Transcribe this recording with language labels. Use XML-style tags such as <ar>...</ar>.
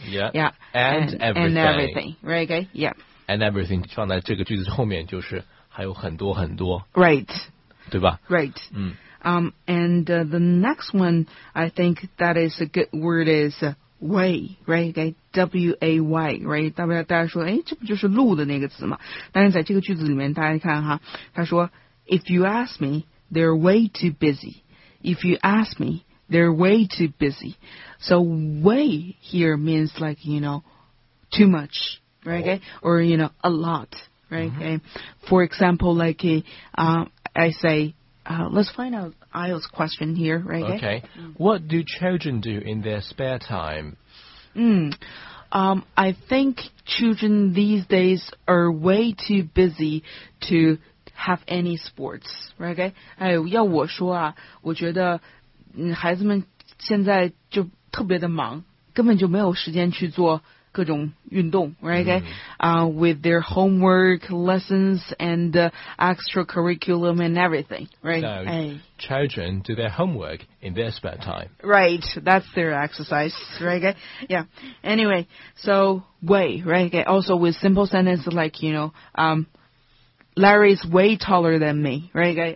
<en>Yeah. And everything. Right? Yeah. And everything</en> <zh>放在这个句子后面就是还有很多很多。</zh> <en>Right.</en> <zh>对吧</zh> <en>Right. 嗯。 And the next one, I think that is a good word is way, right? Okay, W-A-Y, right?</en> <zh>大家说，哎，这不就是路的那个词吗？但是在这个句子里面，大家看哈，他说 ，</zh> <en>If you ask me, they're way too busy. If you ask me, they're way too busy. So way here means like you know, too much, right? Okay, or you know, a lot, right? Okay, for example, like I say. Let's find out Isle's question here, right? Okay. What do children do in their spare time? I think children these days are way too busy to have any sports, right? Okay?</en> <zh>哎，要我说啊，我觉得孩子们现在就特别的忙，根本就没有时间去做各种运动 right?</zh> <en>Okay? With their homework, lessons, and extracurriculum and everything, right? So, children do their homework in their spare time. Right, that's their exercise, right? Okay? Yeah, anyway, so way, right? Okay? Also with simple sentences like, you know, Larry is way taller than me, right?</en>